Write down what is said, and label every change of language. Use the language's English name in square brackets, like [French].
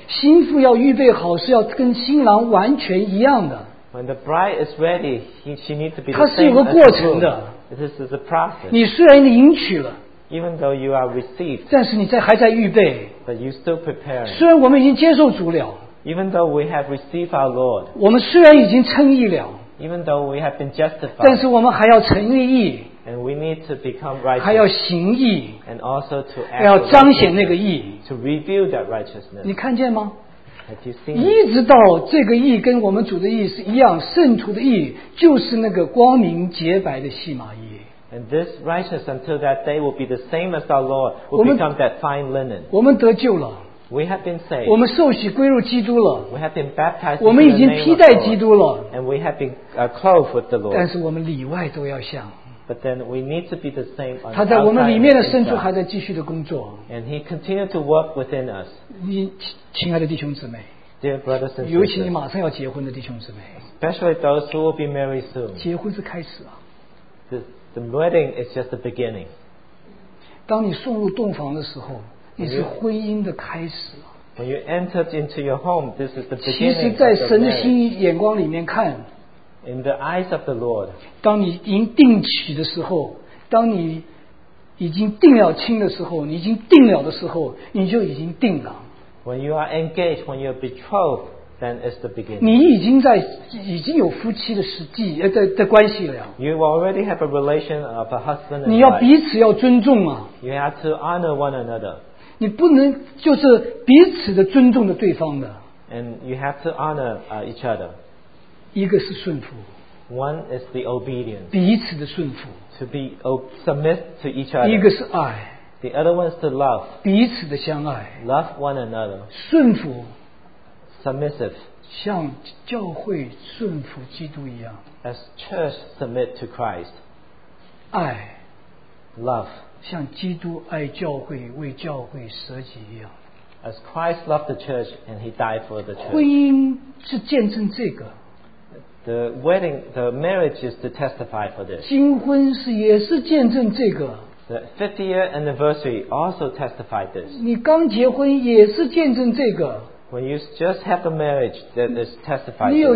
[Chinese] 新妇要预备好，是要跟新郎完全一样的。 [English] When the bride is ready, she needs to be the same. [Chinese] 它是有个过程的。 [English] This is a process. [Chinese] 你虽然领取了。 [English] Even though you are received. [Chinese] 但是你还在预备。 [English] But you still prepare. [Chinese] 虽然我们已经接受主了。 [English] Even though we have received our Lord. [Chinese] 我们虽然已经称义了。 [English] Even though we have been justified. [Chinese] 但是我们还要成立义。 [English] And we need to become righteous. [Chinese] 还要行义, [English] and also to act. [Chinese] 要彰显那个义, [English] to reveal that righteousness. [Chinese] 你看见吗? [English] Have you seen? [Chinese] 一直到这个义跟我们主的义是一样，圣徒的义, 就是那个光明洁白的细麻衣。 [English] And this righteousness until that day will be the same as our Lord, will become that fine linen. [Chinese] 我们得救了。 [English] We have been saved. [Chinese] 我们受洗归入基督了。 [English] We have been baptized. [Chinese] 我们已经披戴基督了。 [English] And we have been clothed with the Lord. [Chinese] 但是我们里外都要像。 [English] But then we need to be the same. [Chinese] 他在我们里面的深处还在继续的工作。 [English] And he continued to work within us. [Chinese] 你亲爱的弟兄姊妹, [English] dear brothers and sisters, [Chinese] 尤其你马上要结婚的弟兄姊妹, [English] especially those who will be married soon. [Chinese] 结婚是开始啊。 [English] The wedding is just the beginning. [Chinese] 当你送入洞房的时候, 你是婚姻的开始。 [English] When you entered into your home, this is the beginning. [Chinese] 其实在神心眼光里面看, [English] in the eyes of the Lord, [Chinese] 当你已经定娶的时候, 当你已经定了亲的时候, 你已经定了的时候, 你就已经定了。 [English] When you are engaged, when you are betrothed, then it's the beginning. [Chinese] 你已经在, 已经有夫妻的实际, 的关系了。 [English] You already have a relation of a husband and wife. [Chinese] 你要彼此要尊重啊。 [English] You have to honor one another. [Chinese] 你不能就是彼此的尊重的对方的。 [English] And you have to honor each other. [Chinese] 一个是顺服, [English] one is the obedience. [Chinese] 彼此的顺服, [English] to be submit to each other. [Chinese] 一个是爱, [English] the other one is to love. [Chinese] 彼此的相爱, [English] love one another. [Chinese] 顺服, [English] submissive. [Chinese] 像教会顺服基督一样, [English] as church submit to Christ. [Chinese] 爱, [English] love. [Chinese] 像基督爱教会，为教会舍己一样。 [English] As Christ loved the church and he died for the church. [Chinese] 婚姻是见证这个。 [English] The wedding, the marriage is to testify for this. [Chinese] 金婚是也是见证这个。 [English] The 50th year anniversary also testified this. [Chinese] 你刚结婚也是见证这个。 [English] When you just have a marriage, that is testified.